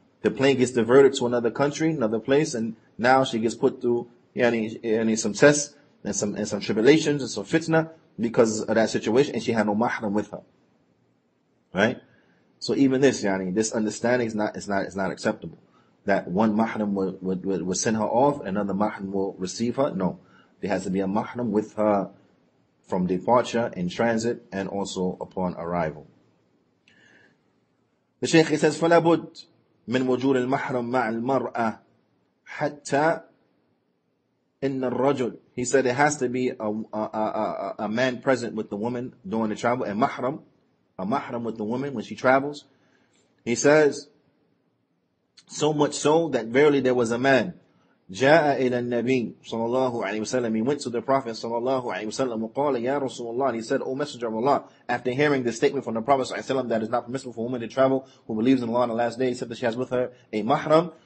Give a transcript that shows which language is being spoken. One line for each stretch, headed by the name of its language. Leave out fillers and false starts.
English: The plane gets diverted to another country, another place, and now she gets put through some tests and some tribulations and some fitna because of that situation, and she had no mahram with her. Right? So even this, yani, this understanding is not acceptable. That one mahram would send her off, another mahram will receive her. No. There has to be a mahram with her from departure, in transit, and also upon arrival. The Shaykh, he says,
Arabic: فَلَابُدْ مِنْ وَجُورِ الْمَحْرَمْ مَعَ الْمَرْأَةِ حَتَّى إِنَّ الرَّجُلِ.
English: He said it has to be a man present with the woman during the travel, a mahram with the woman when she travels. He says, so much so that verily there was a man.
Arabic: جَاءَ إِلَى النَّبِيِّ صلى الله عليه وسلم.
English: He went to the Prophet
Arabic: صلى الله عليه وسلم وقال يا رسول الله.
English: And he said, O Messenger of Allah, after hearing the statement from the Prophet صلى الله عليه وسلم that it's not permissible for a woman to travel who believes in Allah on the last day except that she has with her a mahram.